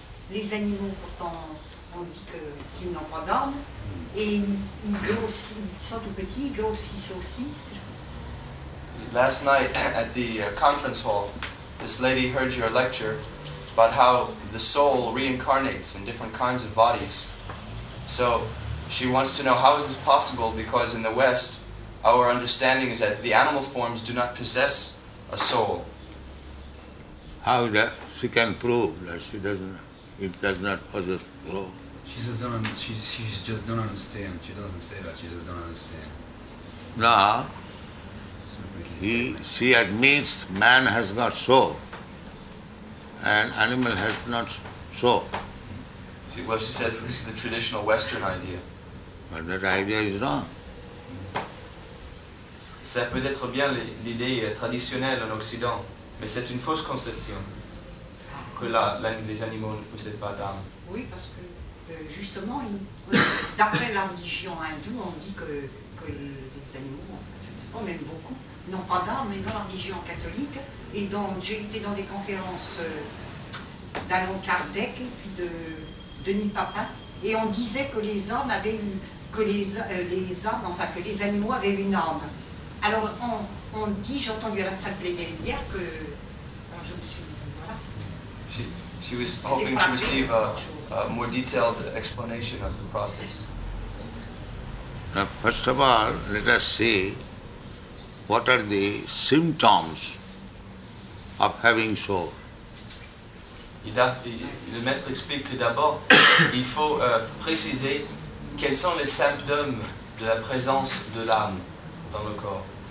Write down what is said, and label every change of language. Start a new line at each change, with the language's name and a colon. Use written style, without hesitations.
French: Les animaux, pourtant, on dit qu'ils n'ont pas d'âme, et ils grossissent, ils sont tout petits, ils grossissent aussi.
English: Last night at the conference hall, this lady heard your lecture about how the soul reincarnates in different kinds of bodies. So she wants to know, how is this possible? Because in the West, our understanding is that the animal forms do not possess a soul. How that she can prove that she doesn't, it does not possess a soul? She says, she just don't understand. She doesn't say that, she just don't understand. No. She admits man has got soul, and animal has not soul. See, well, she says this is the traditional Western idea. But that idea is wrong.
French: Ça peut être bien l'idée traditionnelle en Occident, mais c'est une fausse conception que les animaux ne possèdent pas d'âme. Oui, parce que justement, d'après la religion hindoue, on dit que les animaux, je ne sais pas, même beaucoup, n'ont pas d'âme, mais dans la religion catholique. Et donc, j'ai été dans des conférences d'Alan Kardec et puis de Denis Papin, et on disait que les âmes avaient eu, que les animaux avaient une âme. Alors, on dit, j'ai entendu à la salle plénière hier que. Alors, je me suis. Voilà.
English: She was hoping to receive a more detailed explanation of the process. Now, first of all, let us see what are the symptoms of having soul.
French: Le maître explique que d'abord, il faut préciser quels sont les symptômes de la présence de l'âme dans le corps.